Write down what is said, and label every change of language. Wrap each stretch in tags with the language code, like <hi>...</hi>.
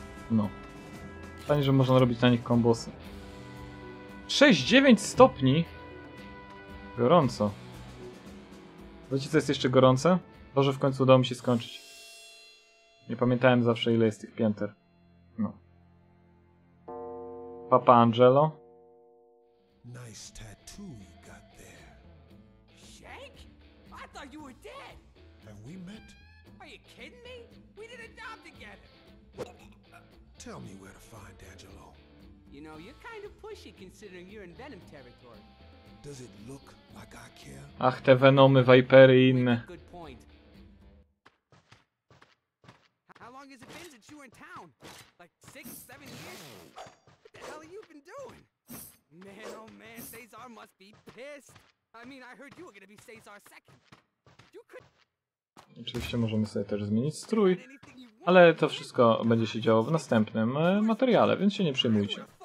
<pl>No. Fajnie, że można robić na nich kombosy. 6-9 stopni? Gorąco. Wiecie, co jest jeszcze gorące? To, że w końcu udało mi się skończyć. Nie pamiętałem zawsze, ile jest tych pięter. No. Papa Angelo.</pl> <en>Nice tattoo you got there. Shank? I thought you were dead. Have we met? Are you kidding me? We did a job together. Tell me where to find Angelo. You know, you're kind of pushy considering you're in Venom territory. Does it look like I care?</en> <pl>Ach, te Venomy, Vipery i inne.</pl> <en>Good point. How long has it been since you were in town? Like 6-7 years? What the hell have you been doing? Man, oh man, Cesar must be pissed. I mean, I heard you were gonna be Cesar second. You could...</en> <pl>Oczywiście możemy sobie też zmienić strój, ale to wszystko będzie się działo w następnym materiale, więc się nie przejmujcie.</pl>